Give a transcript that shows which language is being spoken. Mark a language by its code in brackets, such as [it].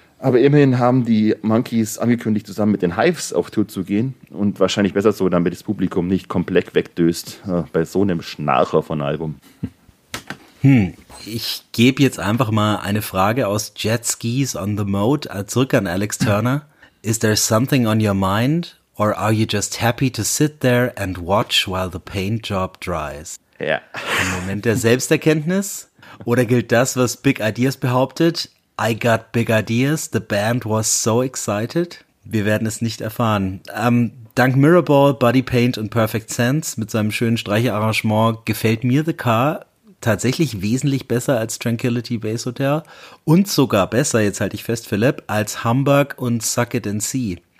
[de] Aber immerhin haben die Monkeys angekündigt, zusammen mit den Hives auf Tour zu gehen. Und wahrscheinlich besser so, damit das Publikum nicht komplett wegdöst bei so einem Schnarcher von Album. Ich gebe jetzt einfach mal eine Frage aus Jet Skis on the Mode zurück an Alex Turner. [en] Is there something on your mind or are you just happy to sit there and watch while the paint job dries? [de] Ja. Ein Moment der Selbsterkenntnis? Oder gilt das, was Big Ideas behauptet? [en] I got big ideas, the band was so excited? [de] Wir werden es nicht erfahren. Dank Mirrorball, Body Paint und Perfect Sense mit seinem schönen Streicherarrangement gefällt mir The Car tatsächlich wesentlich besser als Tranquility Base Hotel und sogar besser, jetzt halte ich fest, Philipp, als Hamburg und Suck It and See.